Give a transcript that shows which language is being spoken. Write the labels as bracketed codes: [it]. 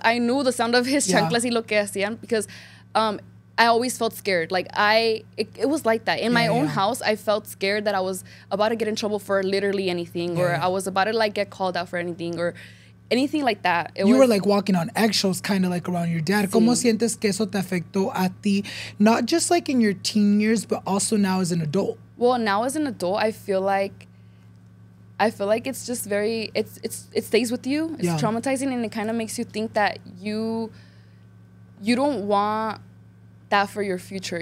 [en] I knew the sound of his yeah. [es] chanclas y lo que hacían [en] because I always felt scared. Like it was like that. In my own house, I felt scared that I was about to get in trouble for literally anything or I was about to like get called out for anything or anything like that. You were like walking on eggshells kind of like around your dad. Sí. [es] ¿Cómo sientes que eso te afectó a ti? [en] Not just like in your teen years, but also now as an adult. Well, now as an adult, I feel like it's just very, it stays with you. It's traumatizing and it kind of makes you think that you don't want that for your future.